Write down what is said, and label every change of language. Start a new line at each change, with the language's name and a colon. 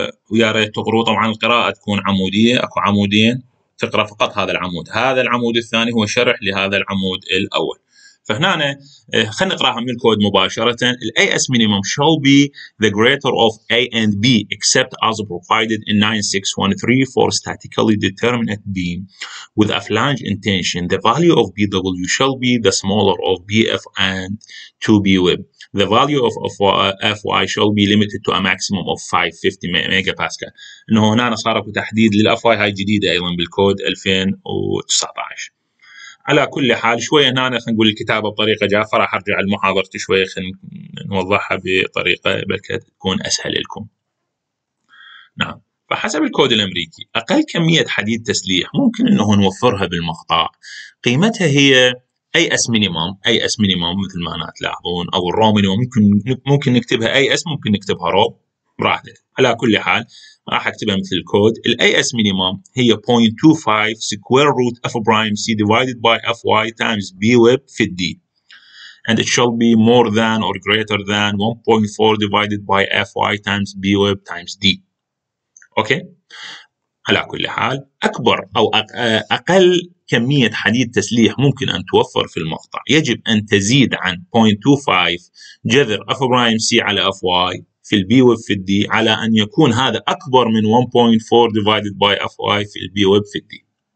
Arabic: ويا ريت تقروا، طبعا القراءة تكون عمودية، أكو عمودين تقرأ فقط هذا العمود، هذا العمود الثاني هو شرح لهذا العمود الأول. فهنا خلينا نقراها من الكود مباشرة.
English: الـ AS minimum shall be the greater of A and B except as provided in 9613 for statically determined beam with a flange intention. The value of BW shall be the smaller of BF and 2B web. The value of FY shall be limited to a maximum of 550 megapascal.
Arabic: إنه هنا صارك تحديد للـ FY، هاي جديدة أيضا بالكود 2019. على كل حال شوية هنا خلينا نقول الكتابة بطريقة جافة، راح أرجع المحاضرة شوية خلينا نوضحها بطريقة بكت تكون أسهل لكم. نعم، فحسب الكود الأمريكي أقل كمية حديد تسليح ممكن أنه نوفرها بالمقطع قيمتها هي AS minimum مثل ما تلاحظون، أو الرو مينيموم، ممكن نكتبها AS ممكن نكتبها رو براحتك. على كل حال راح اكتبها مثل الكود. الـ AS minimum هي 0.25
English: square root f prime c divided by fy times b web
Arabic: في d.
English: And it shall be more than or greater than 1.4 divided by fy times b web times d. Okay.
Arabic: على كل حال اكبر او اقل كمية حديد تسليح ممكن ان توفر في المقطع يجب ان تزيد عن 0.25 جذر f prime c على fy في البي ويب في الدي على أن يكون هذا أكبر من 1.4 divided by FY في البي ويب في الدي.